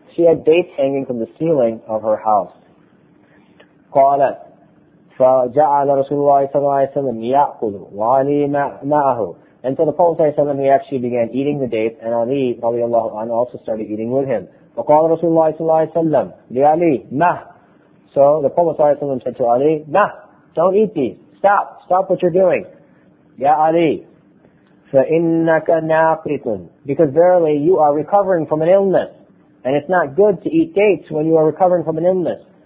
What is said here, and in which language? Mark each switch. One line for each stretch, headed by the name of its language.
English: She had dates hanging from the ceiling of her house.
Arabic: قالت فجعل رسول الله صلى الله عليه وسلم يأكل وعلي معه.
English: And so the Prophet ﷺ, he actually began eating the dates, and Ali radiallahu anhu also started eating with him.
Arabic: فَقَالَ رَسُولُ اللَّهِ صَلَّى اللَّهِ وَسَلَّمْ لِعَلِي مَهْ.
English: So the Prophet ﷺ said to Ali, مَهْ, don't eat these. Stop what you're doing.
Arabic: يَا Ali, فَإِنَّكَ نَاقِتٌ.
English: Because verily you are recovering from an illness. And it's not good to eat dates when you are recovering from an illness.